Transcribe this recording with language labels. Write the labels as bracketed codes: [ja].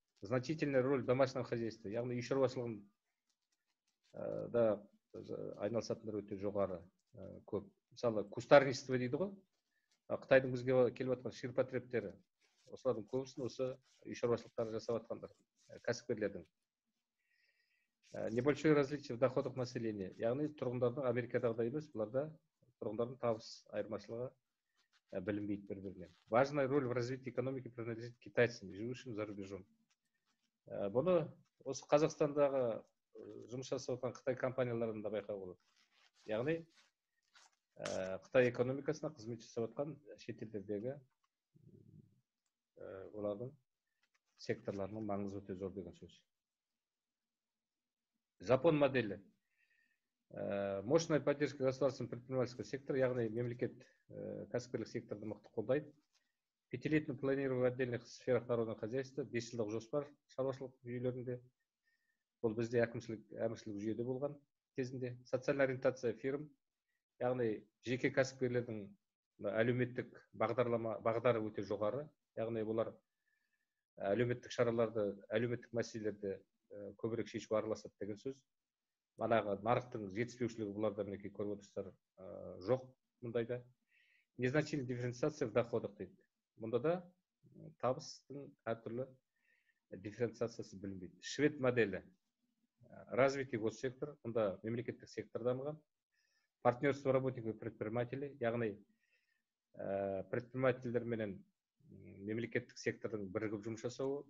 [ru] Значительная роль домашнего хозяйства, [kk] яғни үй шаруашылығын да айналысатындар өте жоғары көп. Мысалы, кустарничество дейді ғой. Қытайдың бізге келіп отырған ширпотребтері. Осылардың көбісін осы үй шаруашылықтары жасап жатқандар, кәсіпкерлердің. [ru] Небольшое различие в доходах населения. [kk] Яғни, тұрғындардың Америкадағы да емес, бұларда тұрғындардың табыс айырмашылығы білінбейді бір-біріне. [ru] Важная роль в развитии экономики принадлежит китайцам, живущим за рубежом. [kk] Бұны осы Қазақстандағы жұмыс жасап отырған Қытай компанияларында байқауға болады. Яғни, Қытай экономикасына қызмет жасап отырған шетелдердегі олардың секторларының маңызы өте зор деген сөз. Жапон моделі. [ru] Мощная поддержка государственного предпринимательского сектора, [kk] яғни мемлекет кәсіпкерлік секторды мықты қолдайды. [ru] Пятилетний планирование в отдельных сферах народного хозяйства, [kk] 5 жылдық жоспар шаруашылық жүйелерінде. Бұл бізде әкімшілік жүйеде болған кезінде. [ru] Социальная ориентация фирм, [kk] яғни жеке кәсіпкерлердің әлеуметтік бағдары өте жоғары, яғни олар әлеуметтік шараларды, әлеуметтік мәселелерді көбірек шешіп араласады деген сөз. Манағы нарықтың жетіспеушілігі бұларда мінекей көріп отырсыздар жоқ мұндайда. [ru] Незначительная дифференциация в доходах дейді. [kk] Мұнда да табыстың әртүрлі дифференциациясы білінбейді. Швед моделі. [ru] Развитый госсектор, [kk] мұнда мемлекеттік сектор дамыған. [ru] Партнерство работников и предпринимателей, [kk] яғни предпринимательдер менен мемлекеттік сектордың бірігіп жұмыс жасауы.